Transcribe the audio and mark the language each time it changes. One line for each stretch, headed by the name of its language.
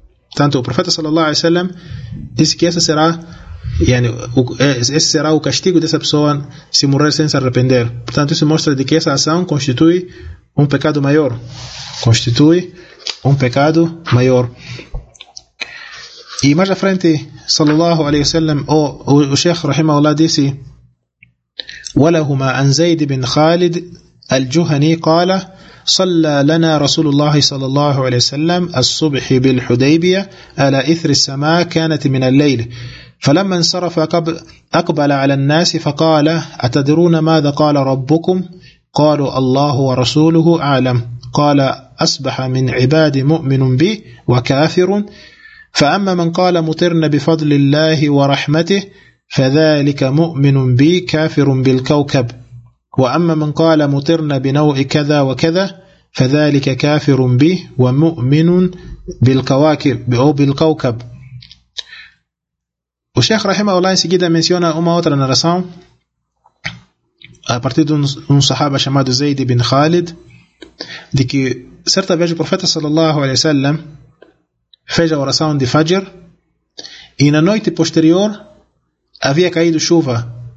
Portuguese: Portanto, o profeta sallallahu alaihi wasallam disse que esse será o castigo dessa pessoa se morrer sem se arrepender. Portanto, isso mostra de que essa ação constitui um pecado maior. Constitui um pecado maior. E mais à frente, sallallahu alaihi wasallam, o Sheikh rahimahullah disse:
Arabic: "Walahuma an Zayd bin Khalid al-Juhani qala: صلى لنا رسول الله صلى الله عليه وسلم الصبح بالحديبية على إثر السماء كانت من الليل فلما انصرف أقبل على الناس فقال أتدرون ماذا قال ربكم قالوا الله ورسوله أعلم قال أصبح من عبادي مؤمن بي وكافر فأما من قال مطرنا بفضل الله ورحمته فذلك مؤمن بي كافر بالكوكب وأما من قال مطرنا بنوع كذا وكذا فذلك كافر به ومؤمن بالكواكب أو بالكوكب."
Portuguese: O Sheikh Rahimahullah em seguida menciona uma outra narração a partir de um sahaba chamado Zayd ibn Khalid, de que certa vez o profeta sallallahu alaihi wasallam fez a oração de Fajr e na noite posterior havia caído chuva.